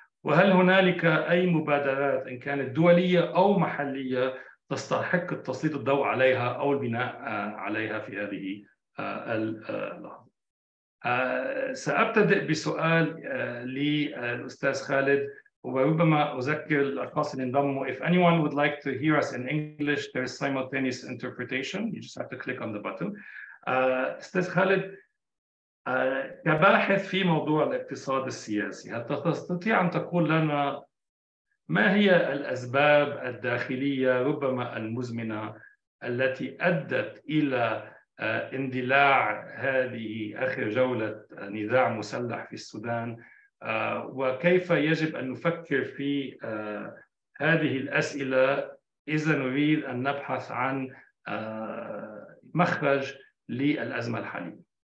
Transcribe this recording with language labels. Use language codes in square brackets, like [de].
[ar] وهل هنالك أي مبادرات إن كانت دولية أو محلية تستحق تسليط الضوء عليها أو البناء عليها في هذه اللحظة؟ سأبتدئ بسؤال للأستاذ خالد، وربما أذكر الأشخاص اللي انضموا. [en] If anyone would like to hear us in English, there is simultaneous interpretation. You just have to click on the button. [ar] أستاذ خالد، كباحث في موضوع الاقتصاد السياسي، هل تستطيع أن تقول لنا ما هي الأسباب الداخلية ربما المزمنة التي أدت إلى اندلاع هذه آخر جولة نزاع مسلح في السودان؟ وكيف يجب أن نفكر في هذه الأسئلة إذا نريد أن نبحث عن مخرج للأزمة الحالية؟